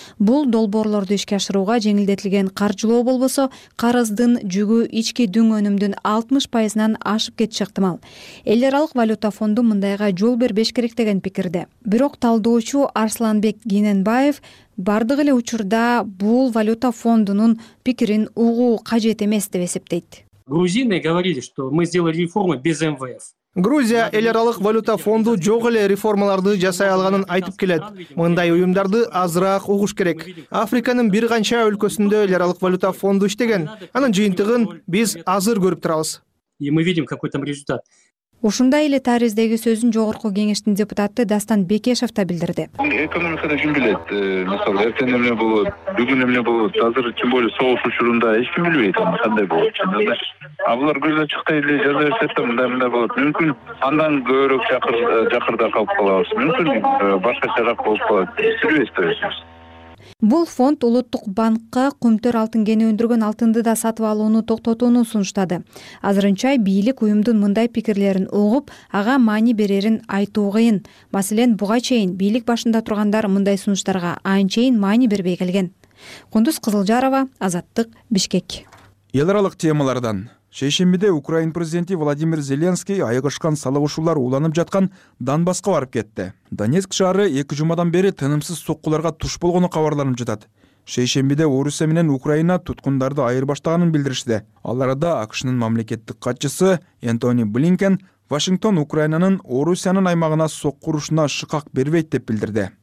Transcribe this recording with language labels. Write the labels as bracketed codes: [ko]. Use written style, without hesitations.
[ky] Бул долбоорлорду ишке ашырууга жеңилдетилген каржылоо болбосо, карыздын ички дүң өнүмдүн 60%-нан ашып кетиши ыктымал. Эл аралык валюта фонду мындайга жол бербеш керек деген пикирде. Бирок талдоочу Арсланбек Кененбаев бардык эле учурда бул валюта фондунун пикирин угуу кажет эмес деп эсептейт. [ru] Грузины говорили, что мы сделали реформы без МВФ. [ky] Грузия эл аралык валюта фонду жок эле реформаларды жасай алганын айтып келет. Мындай уюмдарды азыраак угуш керек. Африканын бир канча өлкөсүндө эл аралык валюта фонду иштеген. Анын жыйынтыгын биз азыр көрүп турабыз. [ru] И мы видим, какой там результат. [ky] Ушундай эле тариздеги сөзүн Жогорку Кеңештин депутаты Дастан Бекешев да билдирди. Экономикада ким билет? Мисалы, эртең эмне болот, бүгүн эмне болот, азыр [ru] тем более [ky] согуш учурунда эч ким билбейт аны кандай болот. А булар көздөн чыкты эле жаза берсе да мындай мындай болот. Мүмкүн андан көбүрөөк жакырда калып калабыз. Мүмкүн башкача жак болуп калат. Билбейбиз да өзүбүз. Бул фонд улуттук банкка күмтөр алтын кени өндүргөн алтынды да сатып алууну токтотууну сунуштады. Азырынча бийлик уюмдун мындай пикирлерин угуп, ага маани берерин айтуу кыйын. Маселен, буга чейин бийлик башында тургандар мындай сунуштарга анчейин маани бербей келген. Кундуз Кызылжарова, Азаттык, Бишкек. Эл аралык темалардан. Шейшембиде Украин президенти Владимир Зеленский айыгышкан салыгышуулар уланып жаткан Донбасска барып кетти. Донецк шаары 2 жумадан бери тынымсыз соккуларга туш болгону кабарланып жатат. Шейшембиде Орусия менен Украина туткундарды айырбаштаганын билдиришти. Ал арада АКШнын мамлекеттик катчысы Энтони Блинкен Вашингтон Украинанын Орусиянын аймагына соккурушуна шыкак бербейт деп билдирди.